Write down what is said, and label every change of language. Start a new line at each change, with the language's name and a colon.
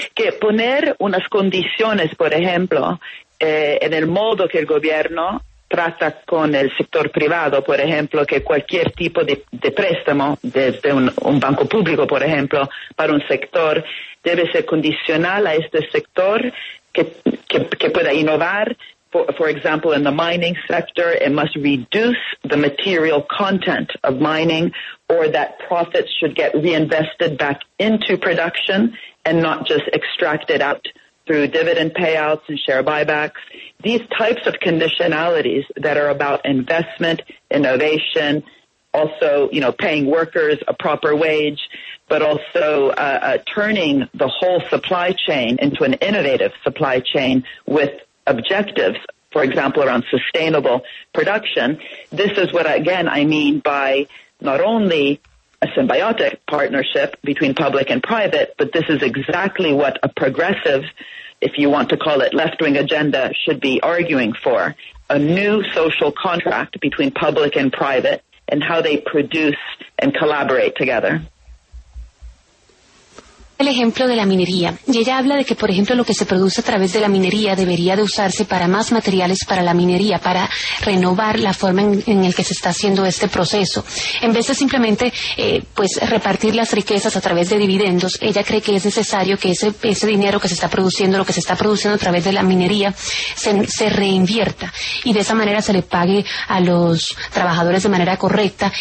Spanish: Que poner unas condiciones, por ejemplo, en el modo que el gobierno trata con el sector privado, por ejemplo, que cualquier tipo de préstamo desde un banco público, por ejemplo, para un sector debe ser condicional a este sector que pueda innovar.
English: For example, in the mining sector, it must reduce the material content of mining, or that profits should get reinvested back into production and not just extracted out through dividend payouts and share buybacks. These types of conditionalities that are about investment, innovation, also, you know, paying workers a proper wage, but also turning the whole supply chain into an innovative supply chain with objectives, for example, around sustainable production. This is what, again, I mean by not only a symbiotic partnership between public and private, but this is exactly what a progressive, if you want to call it left-wing agenda, should be arguing for, a new social contract between public and private and how they produce and collaborate together.
Spanish: el ejemplo de la minería, y ella habla de que, por ejemplo, lo que se produce a través de la minería debería de usarse para más materiales para la minería, para renovar la forma en el que se está haciendo este proceso. En vez de simplemente repartir las riquezas a través de dividendos, ella cree que es necesario que ese dinero que se está produciendo, lo que se está produciendo a través de la minería, se reinvierta, y de esa manera se le pague a los trabajadores de manera correcta.